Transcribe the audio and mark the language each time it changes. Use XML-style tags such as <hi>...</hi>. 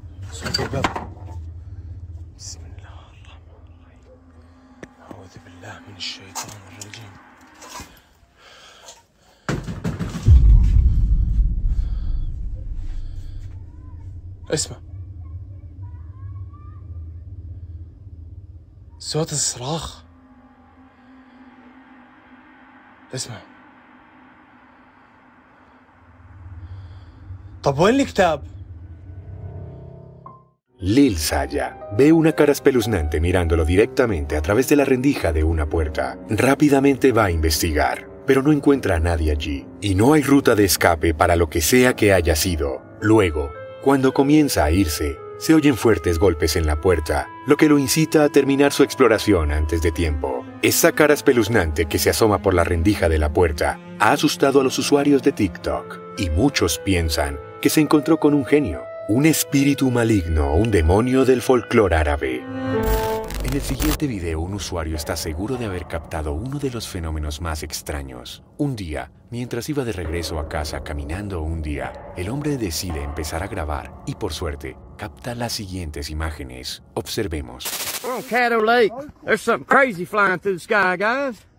<ar>صوت الباب بسم الله الرحمن الرحيم اعوذ بالله من الشيطان الرجيم اسمع صوت الصراخ اسمع طب وين الكتاب</ar> <es>ليل سايا ve una cara espeluznante mirándolo directamente a través de la rendija de una puerta. Rápidamente va a investigar, pero no encuentra a nadie allí y no hay ruta de escape para lo que sea que haya sido. Luego, cuando comienza a irse, se oyen fuertes golpes en la puerta, lo que lo incita a terminar su exploración antes de tiempo. Esa cara espeluznante que se asoma por la rendija de la puerta ha asustado a los usuarios de TikTok, y muchos piensan que se encontró con un genio, un espíritu maligno o un demonio del folclore árabe. En el siguiente video, un usuario está seguro de haber captado uno de los fenómenos más extraños. Un día, mientras iba de regreso a casa caminando un día, el hombre decide empezar a grabar y, por suerte, capta las siguientes imágenes. Observemos.</es> <en>We're on Caddo Lake. There's something crazy flying through the sky, guys.</en>